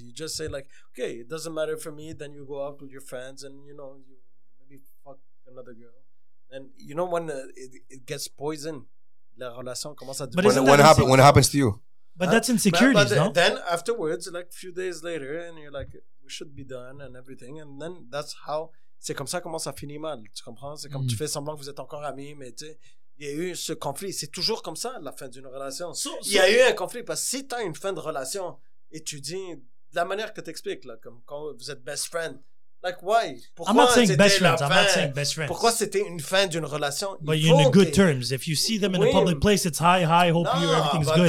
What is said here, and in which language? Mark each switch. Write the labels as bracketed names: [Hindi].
[English] You just say like, okay, it doesn't matter for me, then you go out with your friends and you know, you maybe fuck another girl. And you know when it gets poisoned, [French] la relation commence à... [English] When it happens to you? But that's insecurities, but no? Then afterwards, like a few days later, and you're like, we should be done and everything, and then that's how... [French] c'est comme ça comment ça finit mal, tu comprends? C'est comme tu fais semblant que vous êtes encore amis, mais tu sais, il y a eu ce conflit. C'est toujours comme ça, la fin d'une relation. Il y a eu un conflit, parce que si t'as une fin de relation et tu dis, de la manière que t'expliques, là, comme quand vous êtes best friend, [English] like why? [French] Pourquoi [English] I'm not saying best friends. I'm not saying best friends. [French] Pourquoi c'était une fin d'une relation? [English] But you're in good terms. If you see them in a public place, it's hi, hi, hope you, everything's good.